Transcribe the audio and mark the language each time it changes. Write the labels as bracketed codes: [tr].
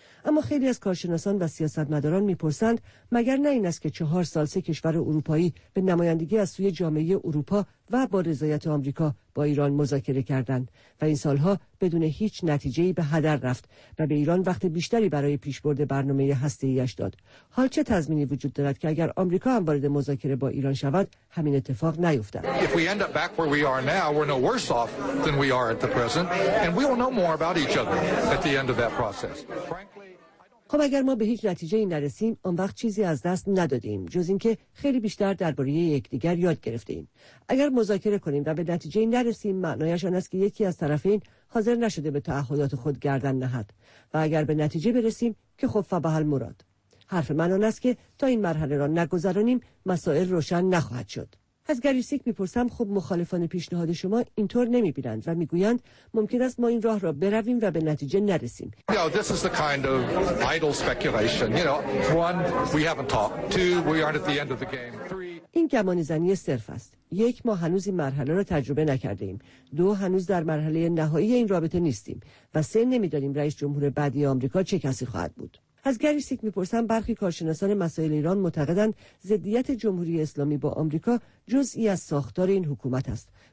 [fa] اما خیلی از کارشناسان و سیاستمداران میپرسند مگر نه این است که 4 سال 3 کشور اروپایی به نمایندگی از سوی جامعه اروپا و با رضایت آمریکا با ایران مذاکره کردند و این سالها بدون هیچ نتیجه‌ای به هدر رفت و به ایران وقت بیشتری برای پیشبرد برنامه هسته‌ای‌اش داد. حال چه تضمینی وجود دارد که اگر آمریکا هم وارد مذاکره با ایران شود همین اتفاق نیفتد؟ [en] If we end up back where we are now, we're no worse off than we are at the present and we will know more about each other at the end of that process. [fa] خب اگر ما به هیچ نتیجه‌ای نرسیم اون وقت چیزی از دست ندادیم جز اینکه خیلی بیشتر درباره یکدیگر یاد گرفتیم. اگر مذاکره کنیم و به نتیجه‌ای نرسیم معنایش آن است که یکی از طرفین حاضر نشده به تعهدات خود گردن نهد و اگر به نتیجه برسیم که خب فبحال مراد. حرف من آن است که تا این مرحله را نگذرانیم مسائل روشن نخواهد شد. از گری سیک میپرسم خب مخالفان پیشنهاد شما اینطور نمیبینند و میگویند ممکن است ما این راه را برویم و به نتیجه نرسیم. [en] No, this is the kind of idle speculation. You know, one, we haven't talked. Two, we aren't at the end of the game. [fa] این گمانه‌زنی صرف است. یک، ما هنوز این مرحله را تجربه نکرده ایم. دو، هنوز در مرحله نهایی این رابطه نیستیم و سه، نمیدانیم رئیس جمهور بعدی آمریکا چه کسی خواهد بود. از گری سیک میپرسم برخی کارشناسان مسائل ایران معتقدند ضدیت جمهوری اسلامی با آمریکا جزئی از ساختار این حکومت است.